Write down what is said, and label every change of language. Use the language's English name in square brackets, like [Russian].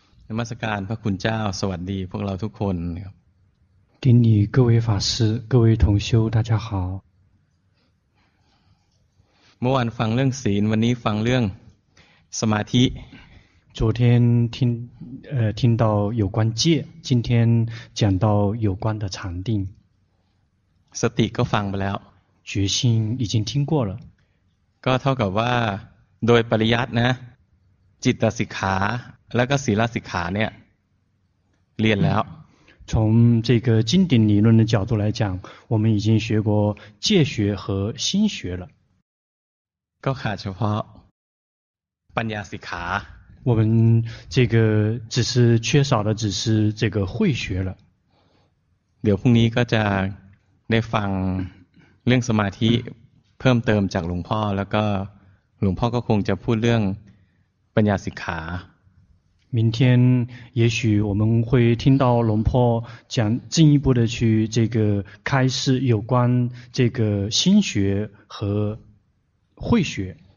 [Thai] นมัสการพระคุณเจ้าสวัสดีพวกเราทุกคนครับ [Chinese] 顶礼各位法师各位同修大家好 [Thai] เมื่อวานฟังเรื่องศีลวันนี้ฟังเรื่องสมาธิ [Chinese] 昨天听到有关戒今天讲到有关的禅定 [Thai] สติก็ฟังไปแล้ว [Chinese] 决心已经听过了 [Thai] ก็เท่ากับว่าโดยปริยัตินะจิตสิกขาแล้วก็ศีลสิกขาเนี่ยเรียนแล้ว [Chinese] 从这个经典理论的角度来讲我们已经学过戒学和心学了 [Thai] ก็ขาดเฉพาะปัญญาสิกขา [Chinese] 我们这个只是缺少的只是这个慧学了 [Thai] เดี๋ยวพรุ่งนี้ก็จะได้ฟังเรื่องสมาธิเพิ่มเติมจากหลวงพ่อแล้วก็หลวงพ่อก็คงจะพูดเรื่องปัญญาสิกขา [Chinese] 明天也许我们会听到龙婆讲进一步的去这个开示有关这个心学和慧学